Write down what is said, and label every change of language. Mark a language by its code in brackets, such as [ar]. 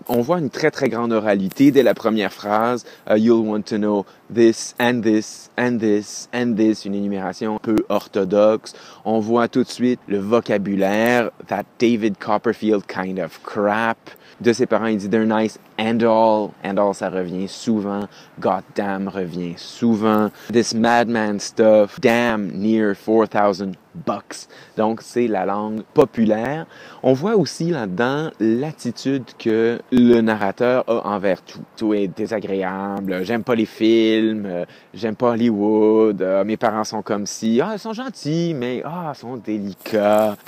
[fr] On voit une très, très grande oralité dès la première phrase. « [en] You'll want to know this and this [fr] and this and this », une énumération un peu orthodoxe. On voit tout de suite le vocabulaire « [en] that David Copperfield kind of crap ». [fr] De ses parents, il dit « [en] they're nice and all ». And all, [fr] ça revient souvent. [en] God damn [fr] revient souvent. [en] This madman stuff, damn near 4,000 bucks. [fr] Donc, c'est la langue populaire. On voit aussi là-dedans l'attitude que le narrateur a envers tout. Tout est désagréable. J'aime pas les films. J'aime pas Hollywood. Mes parents sont comme si. Ah, ils sont gentils, mais ah, ils sont délicats.